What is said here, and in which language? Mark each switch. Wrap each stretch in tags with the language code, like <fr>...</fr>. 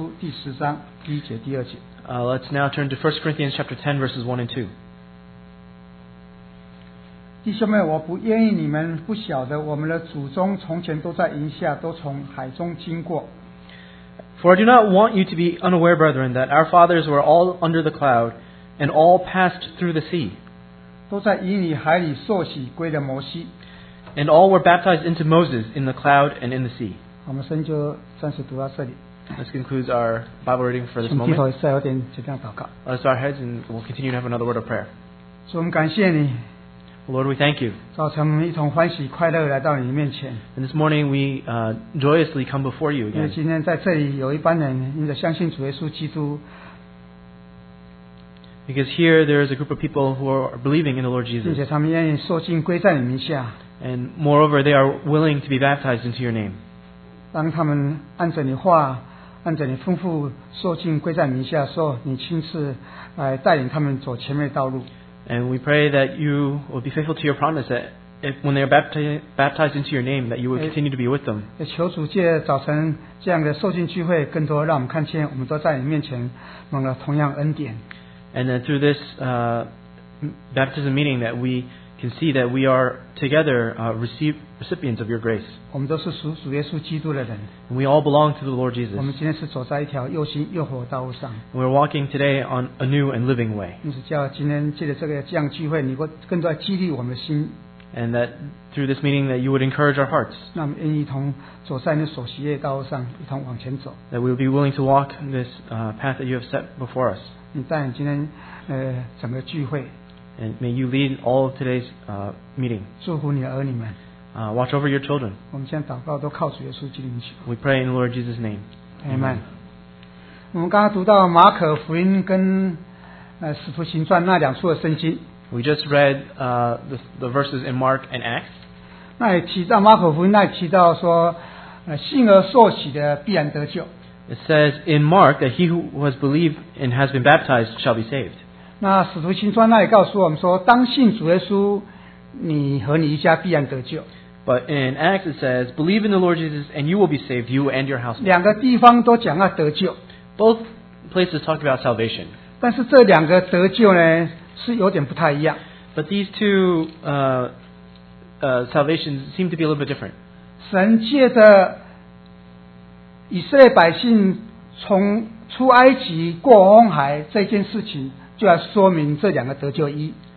<en>Let's now turn to 1 Corinthians chapter 10, verses 1 and 2.</en> <zh>弟兄们，我不愿意你们不晓得，我们的祖宗从前都在营下，都从海中经过。</zh> <en>For I do not want you to be unaware, brethren, that our fathers were all under the cloud, and all passed through the sea.</en> <zh>都在营里海里受洗归了摩西。</zh> <en>And all were baptized into Moses in the cloud and in the sea.</en> <zh>我们先就暂时读到这里。</zh> <en>This concludes our Bible reading for this moment.</en> <zh>请低头一下，有点简单祷告。</zh> <en>Let's bow our heads and we'll continue to have another word of prayer.</en> <zh>主，我们感谢你。</zh> <en>Lord, we thank you.</en> <zh>早晨，我们一同欢喜快乐来到你面前。</zh> <en>And this morning we joyously come before you again.</en> <zh>因为今天在这里有一班人，因着相信主耶稣基督。</zh> <en>Because here there is a group of people who are believing in the Lord Jesus.</en> <zh>并且他们愿意受浸归在你名下。</zh> <en>And moreover, they are willing to be baptized into your name.</en> <zh>当他们按着你话，按着你吩咐受浸归在你名下的时候，你亲自来带领他们走前面的道路。</zh> <en>And we pray that you will be faithful to your promise that if when they are baptized into your name, that you will continue to be with them.</en> <zh>也求主借早晨这样的受浸聚会，更多让我们看见，我们都在你面前蒙了同样恩典。</zh> <en>And then through this baptism meeting that we can see that we are together recipients of your grace.</en> <zh>我们都是属耶稣基督的人。</zh> <en>And we all belong to the Lord Jesus.</en> <zh>我们今天是走在一条又新又活的道路上。</zh> <en>We're walking today on a new and living way.</en> <zh>你是叫今天借着这个这样聚会，你会更多激励我们的心。</zh> <en>And that through this meeting that you would encourage our hearts.</en> <zh>那我们愿意一同走在你所喜悦的道路上，一同往前走。</zh> <en>That we would be willing to walk this path that you have set before us.</en> <zh>你带领今天整个聚会</zh> <en>，and may you lead all of today's meeting.</en> <zh>祝福你的儿女们</zh> <en>，watch over your children.</en> <zh>我们现在祷告都靠主耶稣基督名。</zh> <en>We pray in the Lord Jesus' name. Amen.</en> <zh>我们刚刚读到马可福音跟使徒行传那两处的圣经。</zh> <en>We just read the verses in Mark and Acts.</en> <zh>那也提到马可福音，那也提到说，信而受洗的必然得救。</zh> <en>It says in Mark that he who has believed and has been baptized shall be saved.</en> <zh>那使徒行传那也告诉我们说，当信主耶稣，你和你一家必然得救。</zh> <en>But in Acts it says, believe in the Lord Jesus and you will be saved, you and your household.</en> <zh>两个地方都讲到得救。</zh> <en>Both places talk about salvation.</en> <zh>但是这两个得救呢，是有点不太一样。</zh> <en>But these two salvations seem to be a little bit different.</en> <zh>神借着以色列百姓从出埃及过红海这件事情，就要说明这两个得救一。</zh>